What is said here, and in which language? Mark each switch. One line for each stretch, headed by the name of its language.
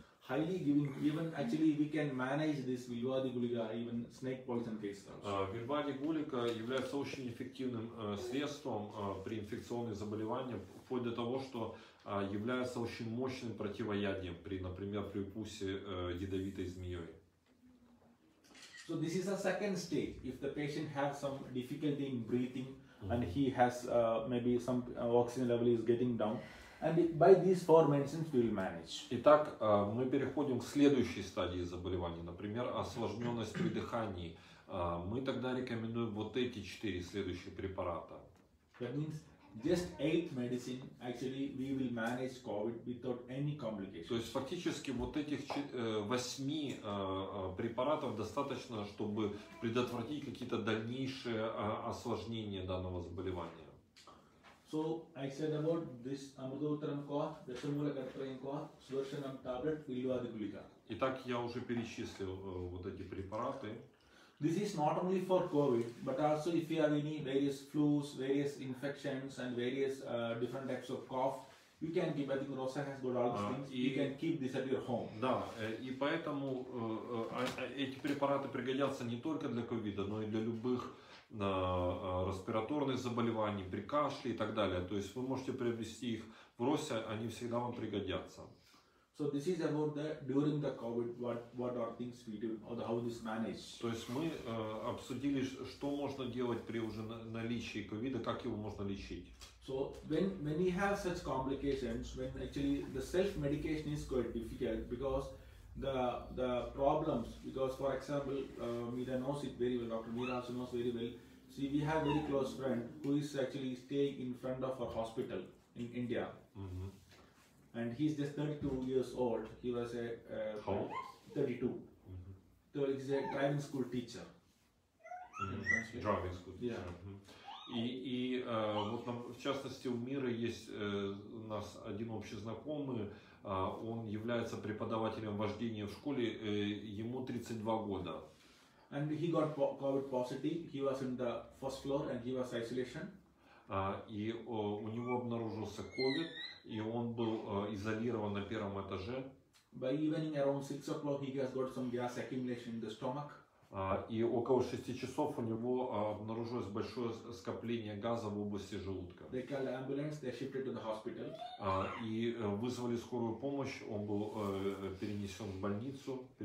English: highly giving, even actually we can manage this Vilvadi Gulika, even snake poison case.
Russian: Vilvadi Gulika является очень эффективным средством при инфекционных заболеваниях, вплоть до того, что является очень мощным противоядием при, например, при укусе ядовитой змеей.
English: So this is a second stage. If the patient has some difficulty in breathing and he has maybe some oxygen level is getting down, and by these four medicines we will manage.
Russian: Итак, мы переходим к следующей стадии заболевания, например, осложненность при дыхании. Мы тогда рекомендуем вот эти четыре следующие препарата.
English: That means just eight medicine actually we will manage COVID without any complications.
Russian: То есть фактически вот этих восьми препаратов достаточно, чтобы предотвратить какие-то дальнейшие осложнения данного заболевания.
English: So I said about this Amrutotram Kwath, Dasamulakartrayam Kwath, Sudarshanam tablet, Vilvadi Gulika.
Russian: Итак, я уже перечислил вот эти препараты.
English: This is not only for COVID, but also if you have any various flus, various infections and various different types of cough, you can keep, I think Rosa has got all these things, you can keep this at your home.
Russian: Да, и поэтому эти препараты пригодятся не только для COVID, но и для любых на респираторных заболеваний, при кашле и так далее. То есть вы можете приобрести их в Росе, они всегда вам пригодятся.
English: So this is about the during the COVID, what are things we do, or how this manage.
Russian: То есть мы обсудили, что можно делать при уже наличии ковида, как его можно лечить.
English: So when you have such complications, when actually the self-medication is quite difficult, because the problems, because for example, Meera knows it very well, Dr. Meera also knows very well. See, we have a very close friend who is actually staying in front of our hospital in India. Mm-hmm. And he's just 32 years old. He was a... How? 32. Mm-hmm. So he's a driving school teacher. Mm-hmm. Driving school teacher. Yeah. Mm-hmm.
Russian: И вот нам, в частности, у Мира есть у нас один общий знакомый, он является преподавателем вождения в школе, ему 32 года.
English: And he got COVID positive, he was in the first floor and he was isolation.
Russian: И у него обнаружился COVID, и он был изолирован на первом этаже.
English: By evening around 6 o'clock he has got some gas accumulation in the stomach.
Russian: И около 6 часов у него обнаружилось большое скопление газа в области желудка.
English: They called ambulance, they shipped it to the hospital.
Russian: И вызвали скорую помощь, он был перенесен в больницу.